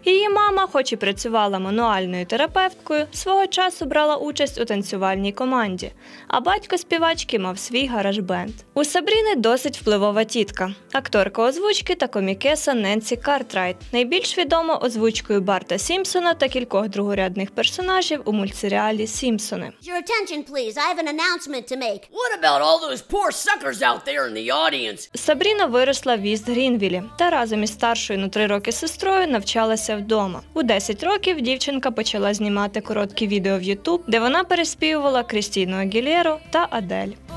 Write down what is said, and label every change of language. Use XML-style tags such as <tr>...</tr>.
<uk>Її мама, хоч і працювала мануальною терапевткою, свого часу брала участь у танцювальній команді, а батько співачки мав свій гараж-бенд. У Сабріни досить впливова тітка – акторка озвучки та комікеса Ненсі Картрайт, найбільш відома озвучкою Барта Сімпсона та кількох другорядних персонажів у мультсеріалі «Сімпсони».</uk> <en>Your attention, please. I have an announcement. What about all those poor suckers out there in the audience?</en> <uk>Сабріна виросла в Іст-Грінвілі та разом із старшою на 3 роки сестрою навчалася вдома. У 10 років дівчинка почала знімати короткі відео в Ютуб, де вона переспівувала Крістіну Агілєру та Адель.</uk>